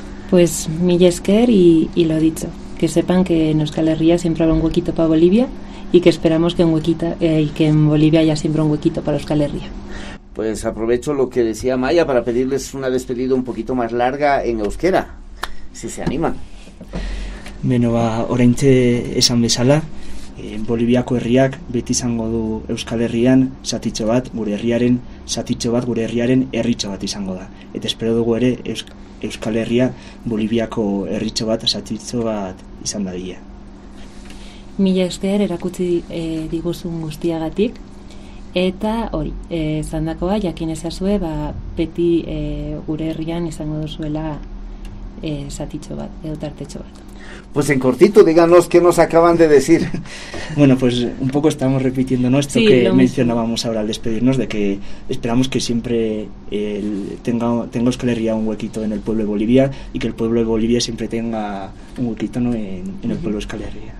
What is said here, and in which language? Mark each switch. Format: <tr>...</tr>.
<es>Pues millesker y lo dicho, que sepan que en Euskal Herria siempre habrá un huequito para Bolivia, y que esperamos que que en Bolivia haya siempre un huequito para Euskal Herria. Pues aprovecho lo que decía Amaya para pedirles una despedida un poquito más larga en euskera, si se animan.</es> <eu>Beno, oraintxe esan bezala, Boliviako herriak beti izango du Euskal Herrian zatitxo bat, gure herriaren zatitxo bat, gure herriaren herritxo bat izango da. Eta espero dugu ere Euskal Herria Boliviako herritxo bat, zatitxo bat izan dadila. Mila esker erakutsi diguzun guztiagatik, Eta hori, zandakoa, jakin ezazue, ba, beti gure herrian izango duzuela satitxo bat, edo tartetxo bat.</eu> <es>Pues en cortito, díganos qué nos acaban de decir. Bueno, pues un poco estamos repitiendo, ¿no?, esto, sí, que mencionábamos ahora al despedirnos, de que esperamos que siempre tenga Euskal Herria un huequito en el pueblo de Bolivia y que el pueblo de Bolivia siempre tenga un huequito, ¿no?, en el pueblo de Euskal Herria.</es>